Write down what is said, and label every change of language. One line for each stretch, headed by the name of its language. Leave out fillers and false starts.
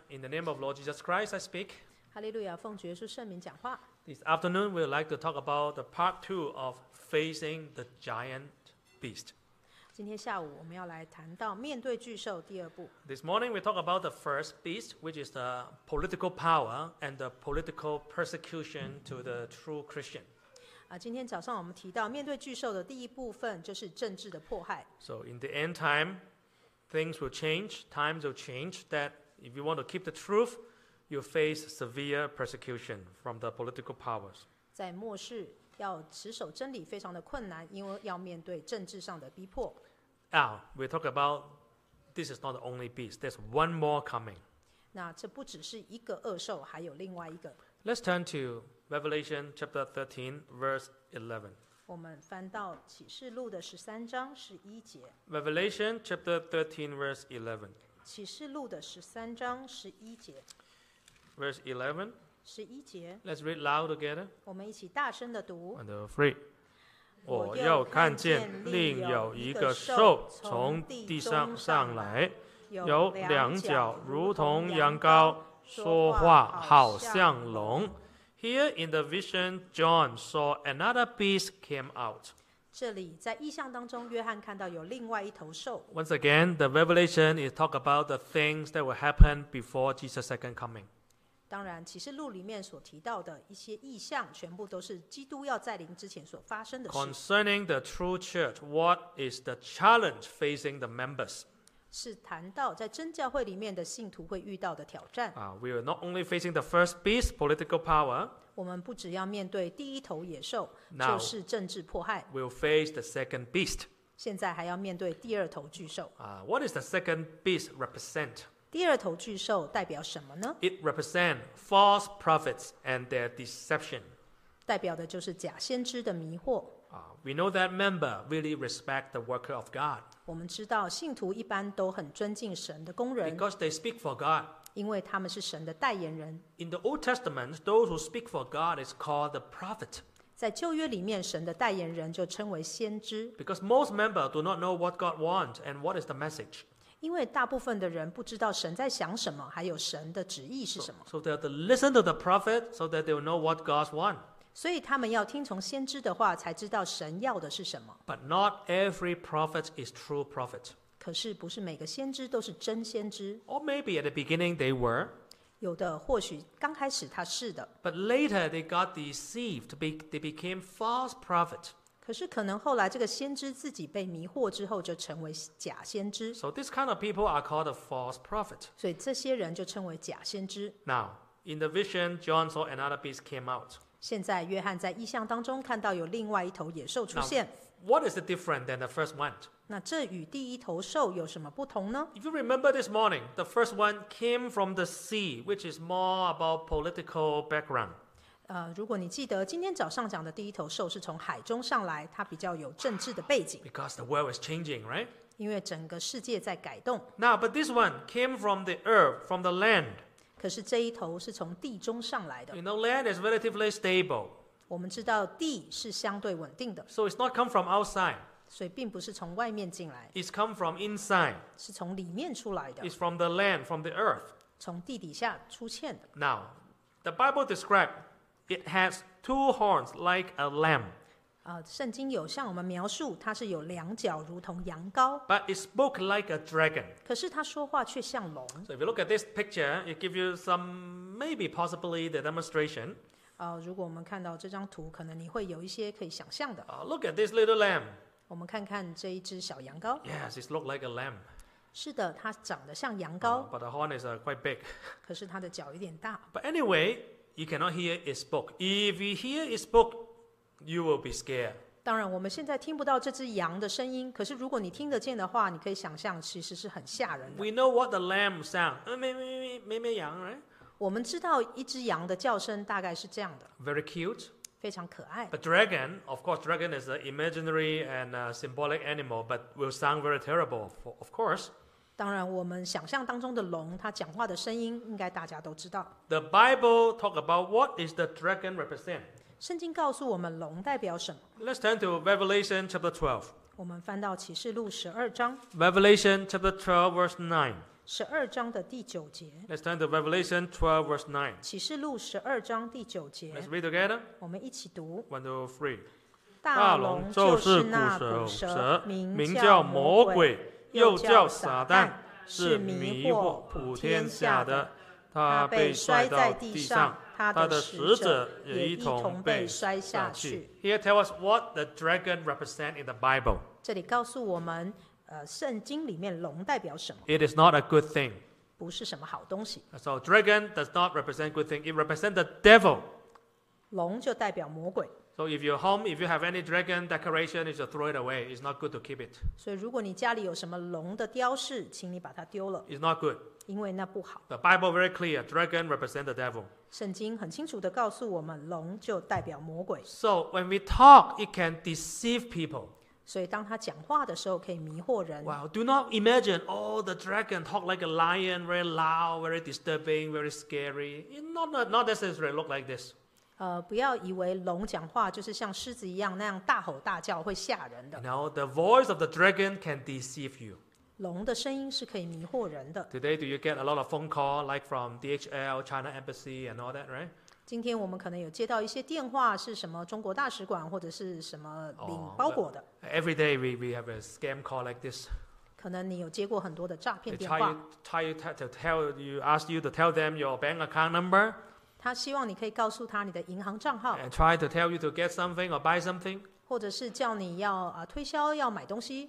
English: In the name of Lord Jesus Christ, I speak.
Chinese: Hallelujah. 奉主耶稣圣名讲话。
English: This afternoon, we would like to talk about the part two of facing the giant beast.
Chinese: 今天下午我们要来谈到面对巨兽第二步。
English: This morning, we talk about the first beast, which is the political power and the political persecution to the true Christian.
Chinese: 今天早上我们提到面对巨兽的第一部分就是政治的迫害。
English: So in the end time, things will change, times will change, that if you want to keep the truth, you face severe persecution from the political powers.
Chinese: 在末世要持守真理非常的困难，因为要面对政治上的逼迫。
English: Now, we talk about this is not the only beast, there's one more coming.
Chinese: 那这不只是一个恶兽，还有另外一个。
English: Let's turn to Revelation chapter 13, verse 11.
Chinese: 我们翻到启示录的十三章十一节。
English: Revelation chapter 13, verse 11.
Chinese: 启示录的十三章十一节。
English: Verse 11.
Chinese: 十一节。
English: Let's read loud together.
Chinese: 我们一起大声的读。
English: And three.
Chinese: 我又看见另有一个兽从地上上来，有两脚如同羊羔，说话好像龙。
English: Here in the vision, John saw another beast came out.
Chinese: 这里在异象当中，约翰看到有另外一头兽。
English: Once again, the revelation is talk about the things that will happen before Jesus' second coming.
Chinese: 当然，启示录里面所提到的一些异象，全部都是基督要再临之前所发生的事。
English: Concerning the true church, what is the challenge facing the members?
Chinese: 是谈到在真教会里面的信徒会遇到的挑战。
English: We are not only facing the first beast, political power.
Chinese: 我们不只要面对第一头野兽，就是政治迫害。
English: We'll face the second beast.
Chinese: 现在还要面对第二头巨兽。
English: What is the second beast represent?
Chinese: 第二头巨兽代表什么呢？
English: It represents false prophets and their deception.
Chinese: 代表的就是假先知的迷惑。
English: We know that member really respect the worker of God.
Chinese: 我们知道信徒一般都很尊敬神的工人。
English: Because they speak for God.
Chinese: 因为他们是神的代言人。
English: In the Old Testament, those who speak for God is called the prophet.
Chinese: 在旧约里面，神的代言人就称为先知。
English: Because most members do not know what God wants and what is the message.
Chinese: 因为大部分的人不知道神在想什么，还有神的旨意是什么。
English: So they have to listen to the prophet so that they will know what God wants.
Chinese: 所以他们要听从先知的话，才知道神要的是什么。
English: But not every prophet is true prophet.
Chinese: 可是不是每个先知都是真先知。
English: Or maybe at the beginning they were.
Chinese: 有的或许刚开始他是的。
English: But later they got deceived. They became false prophet.
Chinese: 可是可能后来这个先知自己被迷惑之后，就成为假先知。
English: So this kind of people are called a false prophet.
Chinese: 所以这些人就称为假先知。
English: Now, in the vision, John saw another beast came out.
Chinese: 现在约翰在异象当中看到有另外一头野兽出现。
English: Now, what is the different than the first one?
Chinese: 那这与第一头兽有什么不同呢？
English: If you remember this morning, the first one came from the sea, which is more about political background.
Chinese: 如果你记得今天早上讲的第一头兽是从海中上来，它比较有政治的背景。
English: Because the world is changing, right?
Chinese: 因为整个世界在改动。
English: Now, but this one came from the earth, from the land.
Chinese: 可是这一头是从地中上来的。
English: You know, land is relatively stable.
Chinese: 我们知道地是相对稳定的。
English: So it's not come from outside.
Chinese: 所以并不是从外面进来。
English: It's come from inside.
Chinese: 是从里面出来的。
English: It's from the land, from the earth.
Chinese: 从地底下出现的。
English: Now, the Bible describes it has two horns like a lamb.
Chinese: 圣经有向我们描述它是有两脚如同羊羔。
English: But it spoke like a dragon.
Chinese: 可是它说话却像龙。
English: So if you look at this picture, it gives you some, maybe possibly the demonstration.
Chinese: 如果我们看到这张图，可能你会有一些可以想象的。
English: Look at this little lamb.
Chinese: 我们看看这一只小羊羔。
English: Yes, it looks like a lamb.
Chinese: 是的，它长得像羊羔。
English: But the horn is quite big.
Chinese: 可是它的脚有点大。
English: But anyway, you cannot hear it spoke. If you hear it spoke,You will be scared.
Chinese: 当然，我们现在听不到这只羊的声音。可是，如果你听得见的话，你可以想象，其实是很吓人的。
English: We know what the lamb sound.
Chinese: 咩羊
English: ，right?
Chinese: 我们知道一只羊的叫声大概是这样的。
English: Very cute.
Chinese: 非常可爱。
English: But dragon, of course, dragon is an imaginary and a symbolic animal, but will sound very terrible, of course.
Chinese: 当然，我们想象当中的龙，它讲话的声音应该大家都知道。
English: The Bible talk about what is the dragon represent.
Chinese: 圣经告诉我们龙代表什么。
English: Let's turn to Revelation chapter 12.
Chinese: 我们翻到启示录十二章。
English: Revelation chapter 12, verse 9.
Chinese: 十二章的第九节。
English: Let's turn to Revelation 12, verse 9.
Chinese: 启示录十二章第九节。
English: Let's read together.
Chinese: 我们一起读。
English: One, two, three.
Chinese: 大龙就是古蛇名叫魔鬼，又叫撒旦，是迷惑普天下的。他被摔在地上，他的使者也一同被摔下去。
English: Here tell us what the dragon represent in the Bible.
Chinese: 这里告诉我们。圣经里面龙代表什么？
English: It is not a good thing.
Chinese: 不是什么好东西。
English: So dragon does not represent good thing. It represents the devil.
Chinese: 龙就代表魔鬼。
English: So if you're home, if you have any dragon decoration, you should throw it away. It's not good to keep it.
Chinese: 所以如果你家里有什么龙的雕饰，请你把它丢了。
English: It's not good.
Chinese: 因为那不好。
English: The Bible very clear. Dragon represents the devil.
Chinese: 圣经很清楚地告诉我们，龙就代表魔鬼。
English: So when we talk, it can deceive people.
Chinese: 所以当他讲话的时候可以迷惑人。
English: Wow, do not imagine all the dragon talk like a lion, very loud, very disturbing, very scary. Not necessarily look like this.
Chinese: 不要以为龙讲话就是像狮子一样那样大吼大叫会吓人的。
English: You know, the voice of the dragon can deceive you.
Chinese: 龙的声音是可以迷惑人的。
English: Today, do you get a lot of phone call like from DHL, China Embassy and all that, right?
Chinese: 今天我们可能有接到一些电话，是什么中国大使馆或者是什么领包裹的。
English: Oh, every day we have a scam call like this.
Chinese: 可能你有接过很多的诈骗电话。
English: They try to ask you to tell them your bank account number.
Chinese: 他希望你可以告诉他你的银行账号。
English: And try to tell you to get something or buy something.
Chinese: 或者是叫你要推销要买东西。